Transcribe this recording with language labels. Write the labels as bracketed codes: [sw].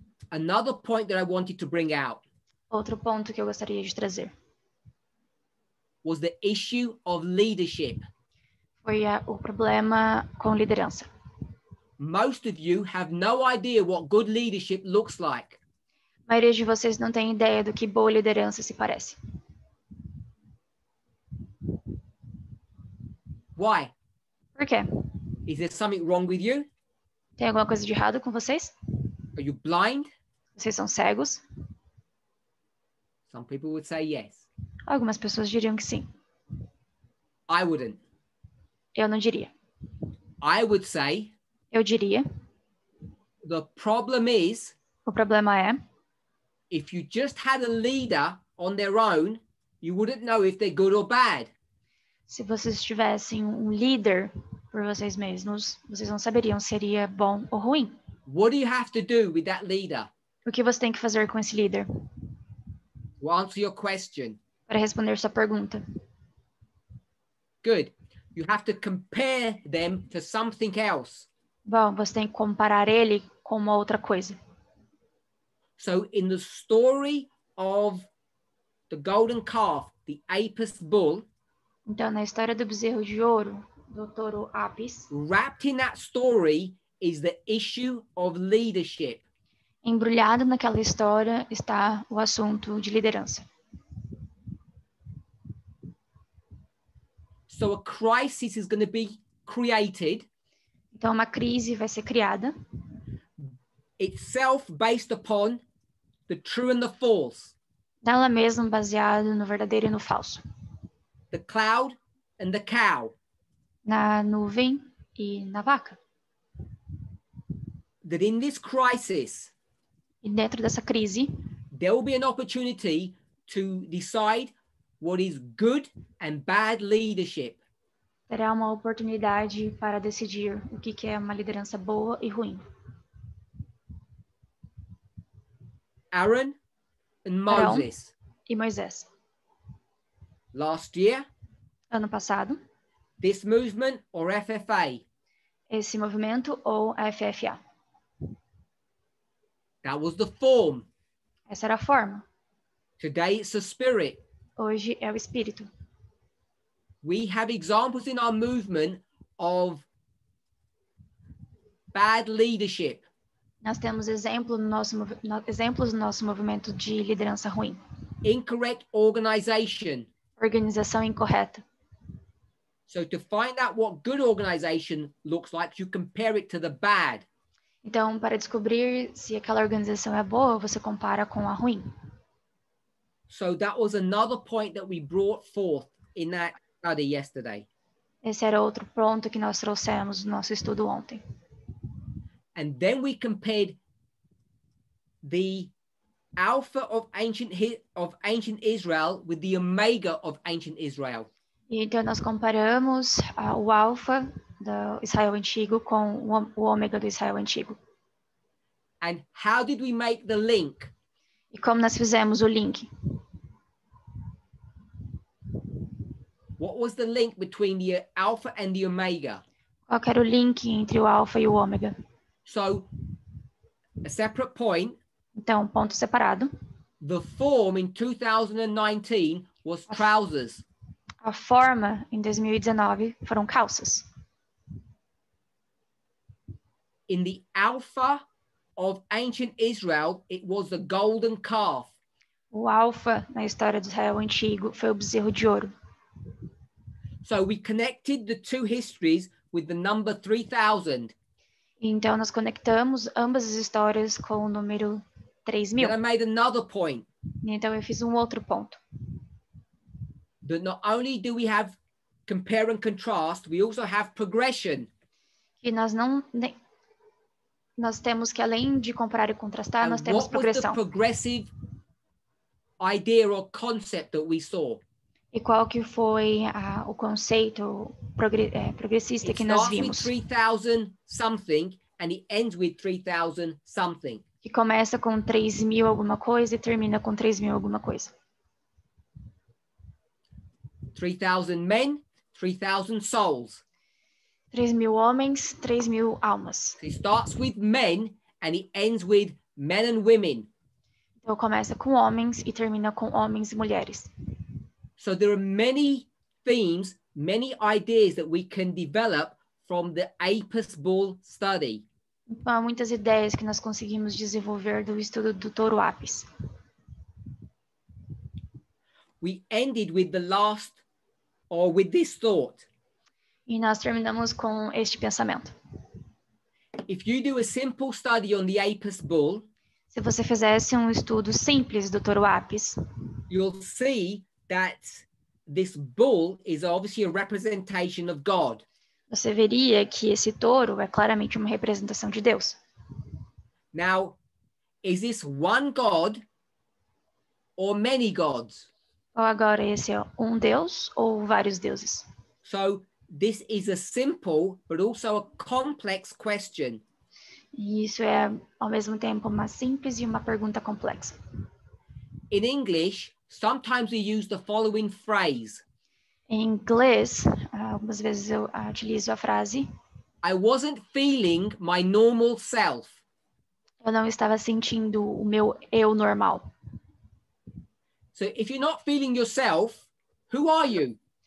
[en] Another point that I wanted to bring out. [pt] Outro ponto que eu gostaria de trazer. [en] Was the issue of leadership. [pt] Foi o problema com liderança. [en] Most of you have no idea what good leadership looks like. [pt] A maioria de vocês não tem ideia do que boa liderança se parece. [en] Why? [pt] Por quê? [en] Is there something wrong with you? [pt] Tem alguma coisa de errado com vocês? [en] Are you blind? [pt] Vocês são cegos? [en] Some people would say yes. [pt] Algumas pessoas diriam que sim. [en] I wouldn't. [pt] Eu não diria. [en] I would say. [pt] Eu diria. [en] The problem is. [pt] O problema é. [en] If you just had a leader on their own, you wouldn't know if they're good or bad. [pt] Se vocês tivessem líder por vocês mesmos, vocês não saberiam se seria bom ou ruim. [en] What do you have to do with that leader? [pt] O que você tem que fazer com esse líder? [en] To answer your question. [pt] Para responder sua pergunta. [en] Good. You have to compare them to something else. [pt] Bom, você tem que comparar ele com uma outra coisa. [en] So in the story of the golden calf, the apis bull. [pt] Então na história do bezerro de ouro, do touro apis. [en] Wrapped in that story is the issue of leadership. [pt] Embrulhado naquela história está o assunto de liderança. [en] So a crisis is going to be created. [pt] Então uma crise vai ser criada. [en] Itself based upon the true and the false. [pt] Nela mesma baseado no verdadeiro e no falso. [en] The cloud and the cow. [pt] Na nuvem e na vaca. [en] That in this crisis. [pt] E dentro dessa crise. [en] There will be an opportunity to decide what is good and bad leadership. [pt] Terá uma oportunidade para decidir o que é uma liderança boa e ruim. [en] Aaron and Moses. [pt] E Moisés. [en] Last year. [pt] Ano passado. [en] This movement or FFA. [pt] Esse movimento ou FFA. [en] That was the form. [pt] Essa era a forma. [en] Today it's the spirit. [pt] Hoje é o espírito. [en] We have examples in our movement of bad leadership. [pt] Nós temos exemplos no nosso movimento de liderança ruim. [en] Incorrect organization. [pt] Organização incorreta. [en] So to find out what good organization looks like, you compare it to the bad. [pt] Então, para descobrir se aquela organização é boa, você compara com a ruim. [en] So that was another point that we brought forth in that study yesterday. [pt] Esse era outro ponto que nós trouxemos no nosso estudo ontem. [en] And then we compared the Alpha of ancient Israel with the Omega of ancient Israel. [pt] Então nós comparamos o Alpha do Israel antigo com o Omega do Israel antigo. [en] And how did we make the link? [pt] E como nós fizemos o link? [en] What was the link between the Alpha and the Omega? [pt] Qual era o link entre o Alpha e o Omega? [en] So, a separate point. [pt] Então, ponto separado. [en] The form in 2019 was trousers. [pt] A forma em 2019 foram calças. [en] In the Alpha of ancient Israel, it was the golden calf. [pt] O Alpha na história do Israel antigo foi o bezerro de ouro. [en] So we connected the two histories with the number 3000. [pt] Então, nós conectamos ambas as histórias com o número 3.000. [en] Then I made another point. [pt] Então, eu fiz um outro ponto. [en] that not only do we have compare and contrast, we also have progression. [pt] E nós não nós temos que, além de comparar e contrastar, [en] and [pt] nós temos progressão. [en] What was the progressive idea or concept that we saw? [pt] E qual que foi o conceito progressista [en] it [pt] que nós vimos? [en] It starts with 3,000 something and it ends with 3,000 something. [pt] Que começa com 3,000 alguma coisa e termina com 3,000 alguma coisa. [en] 3,000 men, 3,000 souls. [pt] 3,000 homens, 3,000 almas. [en] It starts with men and it ends with men and women. [pt] Então começa com homens e termina com homens e mulheres. [en] So there are many themes, many ideas that we can develop from the Apis bull study. [pt] Há muitas ideias que nós conseguimos desenvolver do estudo do touro Apis. [en] We ended with the last, or with this thought. [pt] E nós terminamos com este pensamento. [en] If you do a simple study on the Apis bull, [pt] se você fizesse estudo simples do touro Apis, [en] you'll see that this bull is obviously a representation of God. [pt] Você veria que esse touro é claramente uma representação de Deus. [en] Now, is this one God or many gods? [pt] Ou agora esse é Deus ou vários deuses? [en] So, this is a simple but also a complex question. [pt] Isso é ao mesmo tempo uma simples e uma pergunta complexa. [en] In English, sometimes we use the following phrase. [pt] Em inglês, algumas vezes eu utilizo a frase. [en] I wasn't feeling my normal self. [pt] Eu não estava sentindo o meu eu normal. [en] So if you're not feeling yourself, who are you?